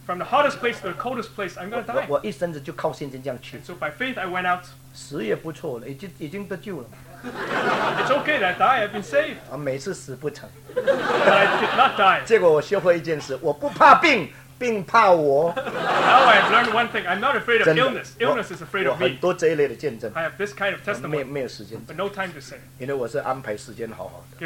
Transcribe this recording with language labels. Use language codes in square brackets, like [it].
[en] From the hottest place to the coldest place, I'm going to die. [zh] 我一生子就靠圣经这样去。 [en] And so by faith, I went out. [zh] 死也不错了，已经得救了。 [en] It's okay that I die, I've been saved. [zh] 我每次死不成。 [en] But I did not die. [zh] 结果我学会一件事，我不怕病。病怕我。 [en] Now I have learned one thing. I'm not afraid of illness. Illness is afraid of me. [zh] 我很多这一类的见证。 [en] I have this kind of testimony. [zh] 没有时间。 [en] But no time to say. [zh] 因为我是安排时间好好的。